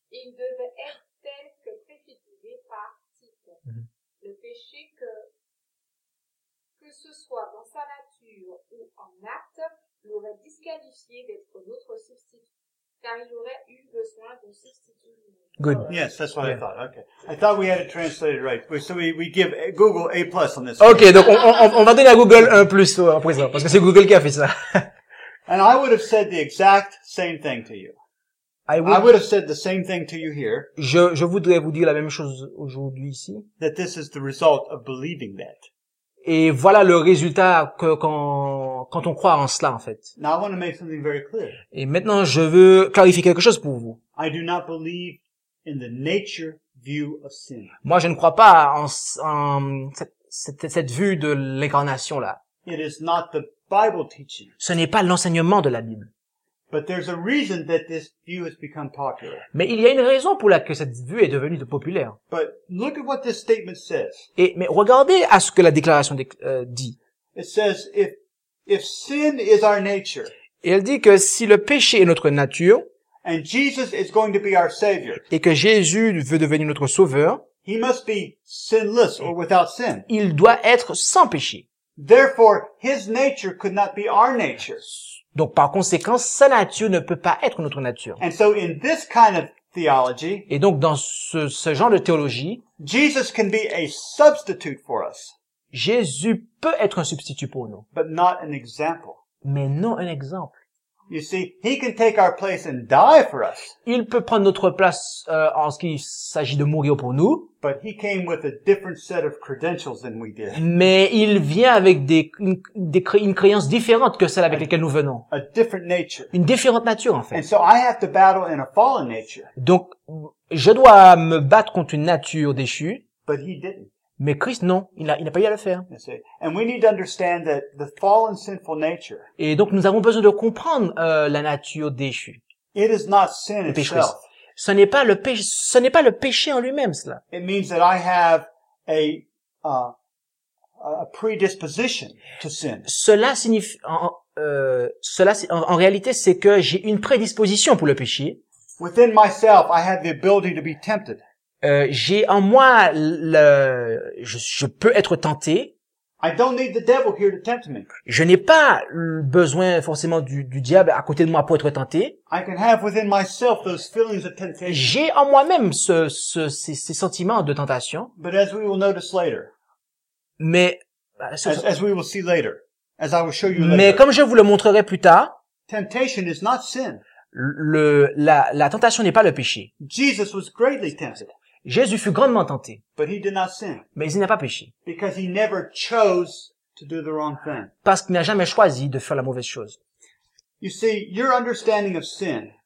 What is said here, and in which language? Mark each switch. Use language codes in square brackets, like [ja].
[fr] Il devait être tel que préfiguré par type. Mm-hmm. Le péché que ce soit dans sa nature ou en acte, l'aurait disqualifié d'être notre substitut, car il aurait eu besoin d'un substitut. [en] Good. Yes, that's what I thought. Okay. I thought we had it translated right. So we give Google A plus on this. [fr] Okay, donc on va donner à Google un plus en présent, parce que c'est Google qui a fait ça. [en] And I would have said the exact same thing to you. I would have said the same thing to you here. [fr] Je voudrais vous dire la même chose aujourd'hui ici. [en] That this is the result of believing that. [fr] Et voilà le résultat quand on croit en cela, en fait. [en] Now I want to make something very clear. [fr] Et maintenant, je veux clarifier quelque chose pour vous. [en] I do not believe in the nature view of sin. [fr] Moi, je ne crois pas en cette vue de l'incarnation, là. [en] It is not the Bible teaching. [fr] Ce n'est pas l'enseignement de la Bible. [en] But there's a reason that this view has become popular. [fr] Mais il y a une raison pour laquelle cette vue est devenue populaire. [en] But look at what this statement says. [fr] Mais regardez à ce que la déclaration dit. [en] It says if sin is our nature. [fr] Et elle dit que si le péché est notre nature. [en] And Jesus is going to be our savior. [fr] Et que Jésus veut devenir notre sauveur. [en] He must be sinless or without sin. [fr] Il doit être sans péché. [en] Therefore, his nature could not be our nature. [fr] Donc par conséquent, sa nature ne peut pas être notre nature. [en] And so in this kind of theology, [fr] et donc dans ce genre de théologie, [en] Jesus can be a substitute for us. [fr] Jésus peut être un substitut pour nous. [en] But not an example. [fr] Mais non un exemple. [en] You see, he can take our place and die for us. [fr] Il peut prendre notre place en ce qu'il s'agit de mourir pour nous. [en] But he came with a different set of credentials than we did. [fr] Mais il vient avec une croyance différente que celle avec laquelle nous venons. [en] A different nature. [fr] Une différente nature en fait. [en] And so I have to battle in a fallen nature. [fr] Donc je dois me battre contre une nature déchue. [en] But he didn't. [fr] Mais Christ, non, il n'a pas eu à le faire. [en] And we need to understand that the fallen, sinful nature. [fr] Et donc nous avons besoin de comprendre la nature déchue. [en] It is not sin itself. [fr] Ce n'est pas le péché en lui-même, cela. [en] It means that I have a predisposition to sin. [fr] Cela signifie, en réalité, c'est que j'ai une prédisposition pour le péché. [en] Within myself, I have the ability to be tempted. [fr] J'ai en moi je peux être tenté. [en] I don't need the devil here to tempt me. [fr] Je n'ai pas besoin forcément du diable à côté de moi pour être tenté. [en] I can have within myself those feelings of temptation. [fr] J'ai en moi-même ces sentiments de tentation. [en] But as we will notice later. [fr] Mais [en] as we will see later, as I will show you later. [fr] Mais comme je vous le montrerai plus tard. [en] Temptation is not sin. [fr] La tentation n'est pas le péché. [en] Jesus was greatly tempted. [fr] Jésus fut grandement tenté. [en] But he did not sin. [fr] Mais il n'a pas péché. [en] Because he never chose to do the wrong thing. [fr] Parce qu'il n'a jamais choisi de faire la mauvaise chose. [en] You see, your understanding of sin,